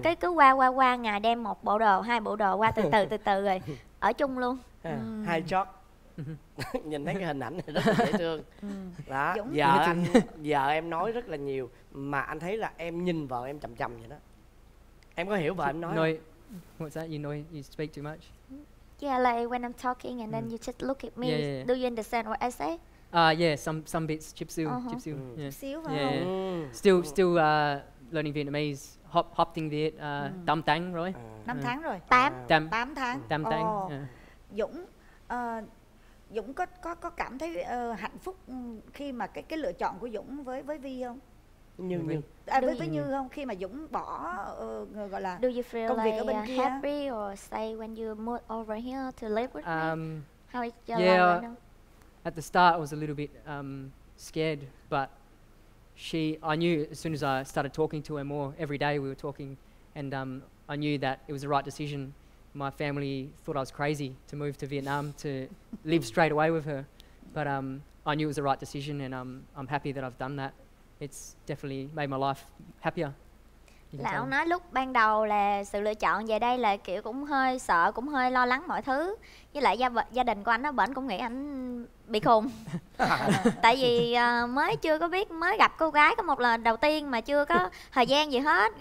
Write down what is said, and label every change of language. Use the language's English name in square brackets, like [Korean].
[Vietnamese] Cái cứ qua ngày đem một bộ đồ, hai bộ đồ qua từ từ rồi ở chung luôn. Hai chót. Nhìn thấy cái hình ảnh này rất là dễ thương. Đó, vợ em nói rất là nhiều mà anh thấy là em nhìn vợ em chậm chậm vậy đó. Em có hiểu vợ em nói không? [English] What's that? You know you speak too much. Yeah, like when I'm talking and then you just look at me. Yeah. Do you understand what I say? Yeah, some bits chipsil. Chipsil. Chipsil. Still learning Vietnamese. [Vietnamese] Hop tiếng Việt. Tám tháng rồi. Năm tháng rồi. Tám tháng. Tám tháng. Dũng có cảm thấy hạnh phúc khi mà cái lựa chọn của Dũng với Vi không? Với Như không? Khi mà Dũng bỏ gọi là công việc like ở bên kia. [English] Happy or say when you move over here to live with me? How is your life? At the start I was a little bit scared, but she, I knew as soon as I started talking to her more every day, we were talking, and I knew that it was the right decision. My family thought I was crazy to move to Vietnam to live straight away with her, but I knew it was the right decision, and I'm happy that I've done that. It's definitely made my life happier. [Vietnamese] Là ông nói lúc ban đầu là sự lựa chọn về đây là kiểu cũng hơi sợ, cũng hơi lo lắng mọi thứ. Với lại gia đình của anh đó, bển cũng nghĩ anh bị khùng. Tại vì mới chưa có biết, mới gặp cô gái có một lần đầu tiên mà chưa có thời gian gì hết.